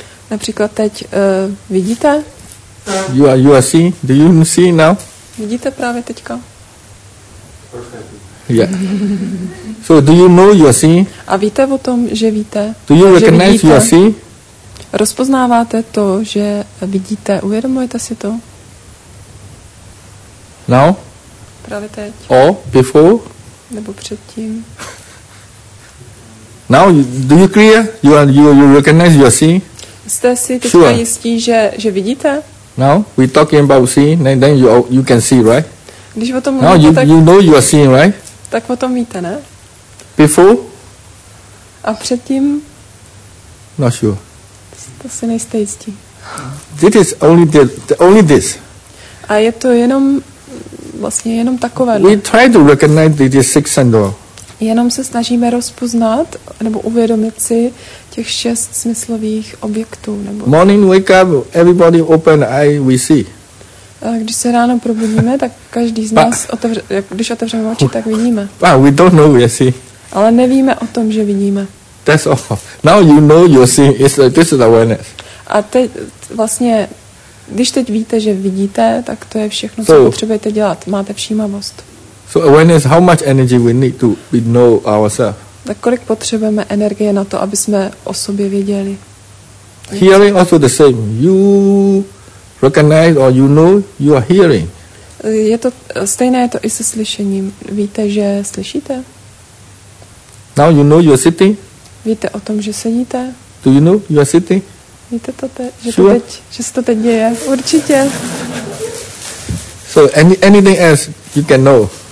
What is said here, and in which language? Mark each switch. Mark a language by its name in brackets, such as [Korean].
[Czech] Například teď vidíte? [English] You are seeing? Do you see now? [Czech] Vidíte právě teďka? [English] Perfect. Yeah. So do you know you are seeing? [Czech] A víte o tom, že víte? [English] Do you recognize you are seeing? [Czech] Rozpoznáváte to, že vidíte? Uvědomujete si to? [English] Now? [Czech] Právě teď. [English] Or before? [Czech] Nebo předtím. [English] Now, do you clear? You recognize you are seeing? [Czech] Jste si teď sure. Jistí, že vidíte? [English] Now, we talking about seeing, then you can see, right? [Czech] Když o tom mluvíte, tak... [English] you know you are seeing, right? [Czech] Tak o tom víte, ne? [English] Before? [Czech] A předtím? [English] Not sure. [Czech] To si nejste jistí. [English] This is only only this. [Czech] A je to jenom... Vlastně jenom takové. [English] We try to recognize the six sandal. [Czech] Jenom se snažíme rozpoznat nebo uvědomit si těch šest smyslových objektů. Nebo [English] morning wake up, everybody open eye, we see. [Czech] Když se ráno probudíme, tak každý z nás, když otevřeme oči, tak vidíme. [English] We don't know, you see. [Czech] Ale nevíme o tom, že vidíme. [English] That's all. Now you know, you see, this is awareness. [Czech] A teď vlastně, když teď víte, že vidíte, tak to je všechno, co potřebujete dělat. Máte všímavost. [English] So awareness, how much energy we need to be know ourselves? [Czech] Tak kolik potřebujeme energie na to, aby jsme o sobě věděli? [English] Hearing also the same. You recognize or you know you are hearing. [Czech] Je to stejné, je to i se slyšením. Víte, že slyšíte? [English] Now you know you are sitting. [Czech] Víte o tom, že sedíte? [English] Do you know you are sitting? [Czech] Víte to teď, sure. Že se to teď děje? Určitě. [English] So anything else you can know.